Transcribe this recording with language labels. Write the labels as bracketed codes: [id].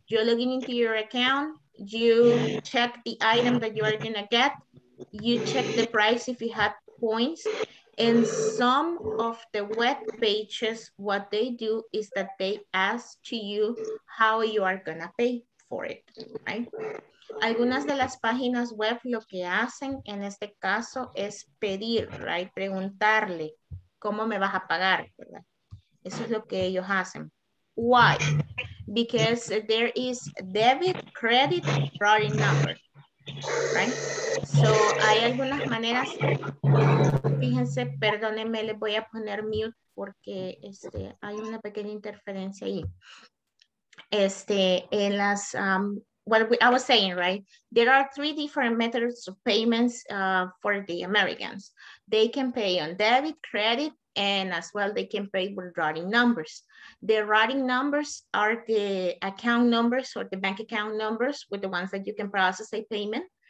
[en] You're logging into your account, you check the item that you are gonna get, you check the price if you have points. And some of the web pages, what they do is that they ask to you how you are gonna pay for it, right? [es] Algunas de las páginas web lo que hacen en este caso es pedir, right? Preguntarle, ¿cómo me vas a pagar? ¿Verdad? Eso es lo que ellos hacen. Why? [en] Because there is debit, credit, routing number, right? [es] So, hay algunas maneras, fíjense, perdónenme, les voy a poner mute porque hay una pequeña interferencia ahí. En las... [en] I was saying, right? There are three different methods of payments for the Americans. They can pay on debit, credit, and as well, they can pay with routing numbers. The routing numbers are the account numbers or the bank account numbers with the ones that you can process a payment.